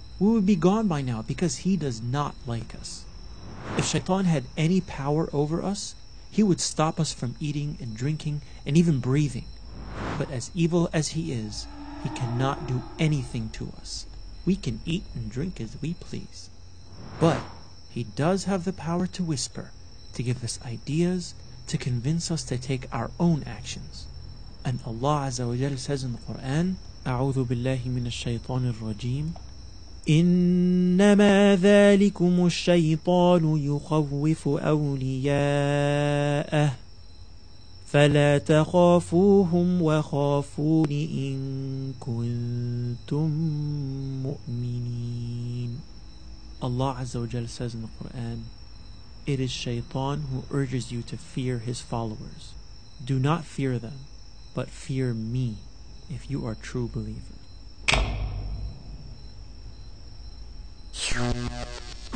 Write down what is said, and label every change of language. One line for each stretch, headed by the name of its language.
English: We would be gone by now because he does not like us. If Shaitan had any power over us, he would stop us from eating and drinking and even breathing. But as evil as he is, he cannot do anything to us. We can eat and drink as we please. But he does have the power to whisper, to give us ideas, to convince us to take our own actions. And Allah Azza wa Jalla says in the Quran,
Arabic: أعوذ بالله من الشيطان الرجيم إنما ذلكم الشيطان يخوف أولياءه فلا تخافوهم وخافون إن كنتم مؤمنين.
English: Allah Azza wa Jalla says in the Quran, it is Shaitan who urges you to fear his followers. Do not fear them, but fear me if you are true believers.